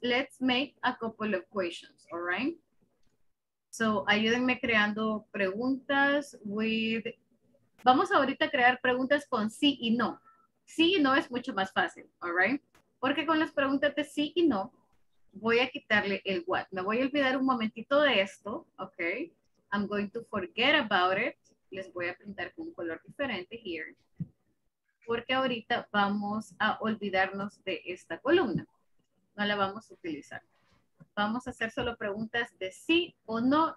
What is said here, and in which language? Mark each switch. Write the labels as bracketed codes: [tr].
[en] Let's make a couple of questions, all right? [es] So, ayúdenme creando preguntas [en] with... [es] Vamos ahorita a crear preguntas con sí y no. Sí y no es mucho más fácil, [en] all right? [es] Porque con las preguntas de sí y no, voy a quitarle el what. Me voy a olvidar un momentito de esto, okay? [en] I'm going to forget about it. [es] Les voy a pintar con un color diferente [en] here. [es] Porque ahorita vamos a olvidarnos de esta columna. No la vamos a utilizar. Vamos a hacer solo preguntas de sí o no.